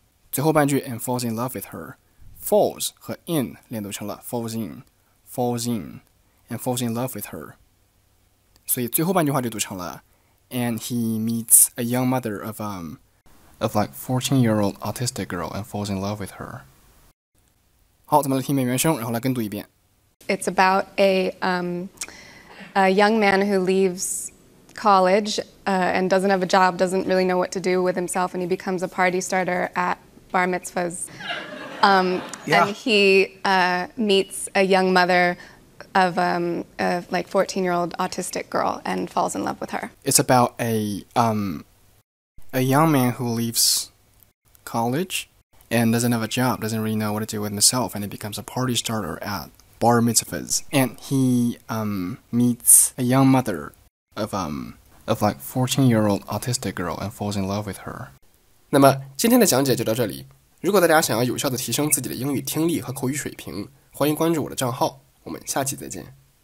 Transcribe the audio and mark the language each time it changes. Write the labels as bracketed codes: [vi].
[zh] 最后半句 [en] and falls in love with her, [zh] falls 和 in 连读成了 [en] falls in, and falls in love with her. [zh] 所以最后半句话就读成了 [en] and he meets a young mother of like 14-year-old autistic girl and falls in love with her. [zh] 好，咱们来听一遍原声，然后来跟读一遍。 [en] It's about a young man who leaves college. college, and doesn't have a job, doesn't really know what to do with himself, and he becomes a party starter at bar mitzvahs. And he meets a young mother of a 14-year-old autistic girl and falls in love with her. It's about a young man who leaves college and doesn't have a job, doesn't really know what to do with himself, and he becomes a party starter at bar mitzvahs. And he meets a young mother of 14-year-old autistic girl and falls in love with her. [zh] 那么今天的讲解就到这里。如果大家想要有效地提升自己的英语听力和口语水平，欢迎关注我的账号，我们下期再见。